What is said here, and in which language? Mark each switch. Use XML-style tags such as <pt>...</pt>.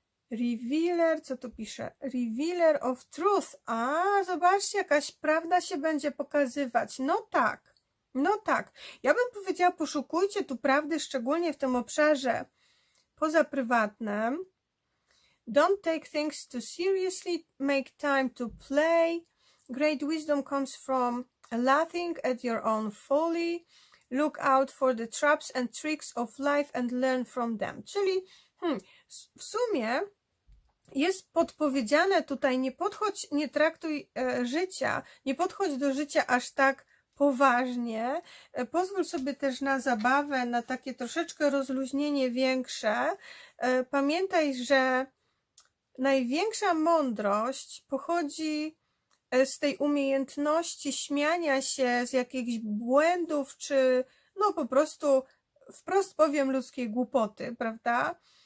<en>Revealer,</en> <pl>co tu pisze?</pl> <en>Revealer of Truth.</en> <pl>A, zobaczcie, jakaś prawda się będzie pokazywać. No tak, no tak. Ja bym powiedziała, poszukujcie tu prawdy, szczególnie w tym obszarze pozaprywatnym.</pl> <en>Don't take things too seriously. Make time to play. Great wisdom comes from laughing at your own folly. Look out for the traps and tricks of life and learn from them.</en> <pl>Czyli, w sumie. Jest podpowiedziane tutaj, nie podchodź, nie traktuj życia, nie podchodź do życia aż tak poważnie. Pozwól sobie też na zabawę, na takie troszeczkę rozluźnienie większe. Pamiętaj, że największa mądrość pochodzi z tej umiejętności śmiania się z jakichś błędów, czy no po prostu wprost powiem, ludzkiej głupoty, prawda?</pl>